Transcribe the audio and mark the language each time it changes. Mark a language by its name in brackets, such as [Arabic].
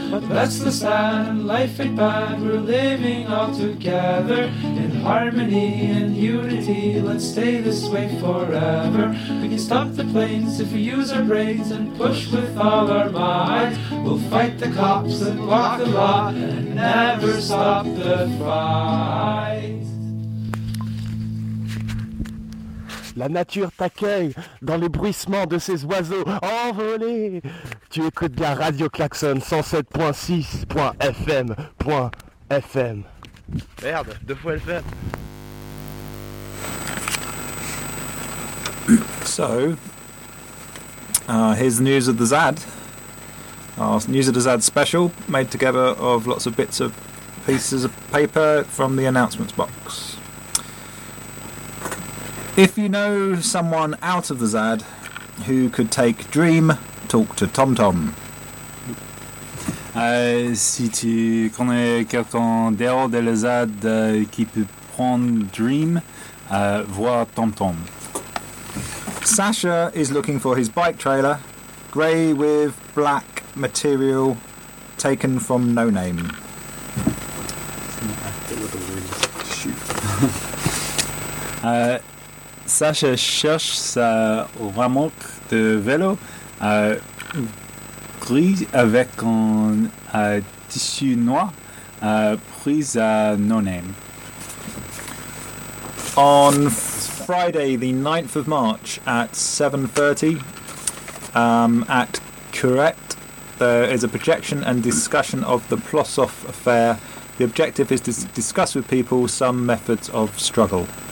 [English] That's the sad and life ain't bad. We're living all together in harmony and unity. Let's stay this way forever. We can stop the planes if we use our brains and push with all our might. We'll fight the cops and walk the law and never stop the fight. [French] La nature t'accueille dans les bruissements de ces oiseaux envolés. Tu écoutes bien Radio Klaxon 107.6.fm.fm. Merde, deux fois FM. [English] So, here's the news of the Zad. Our news of the Zad special, made together of lots of bits of pieces of paper from the announcements box. If you know someone out of the Zad who could take Dream, talk to Tom Tom. [French] Si tu connais quelqu'un dehors de la Zad qui peut prendre Dream, vois Tom Tom. [English] Sasha is looking for his bike trailer, grey with black material taken from No Name. [French] Sasha cherche sa remorque de vélo grise avec un tissu noir prise à No Name. [English] On Friday the 9th of March at 7:30 at Curette, there is a projection and discussion of the Plossoff affair. The objective is to discuss with people some methods of struggle.